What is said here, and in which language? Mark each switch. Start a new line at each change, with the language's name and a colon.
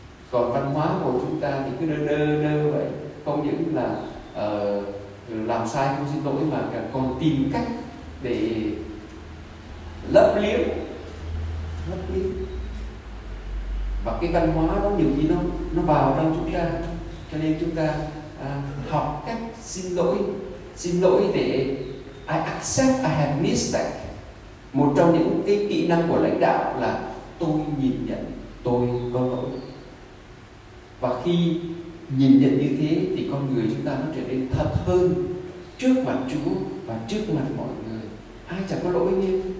Vietnamese: Còn văn hóa của chúng ta thì cứ đơ vậy, không những là làm sai không xin lỗi, mà còn tìm cách để lấp liếm. Và cái văn hóa đó nhiều khi nó vào trong chúng ta. Cho nên chúng ta học cách xin lỗi. Xin lỗi để
English: I accept I have mistake.
Vietnamese: Một trong những cái kỹ năng của lãnh đạo là tôi nhìn nhận tôi có lỗi. Và khi nhìn nhận như thế thì con người chúng ta nó trở nên thật hơn trước mặt Chúa và trước mặt mọi người. Ai chẳng có lỗi nghe.